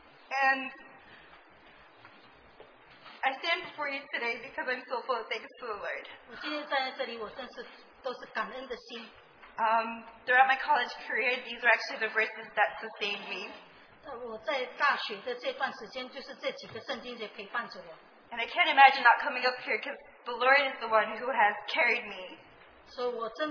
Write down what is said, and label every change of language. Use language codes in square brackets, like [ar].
[en] and I stand before you today because I'm so full of thanks to the Lord. [zh] 我今天站在这里，我真是都是感恩的心。 [en] Throughout my college career, these were actually the verses that sustained me. And I can't imagine not coming up here because the Lord is the one who has carried me.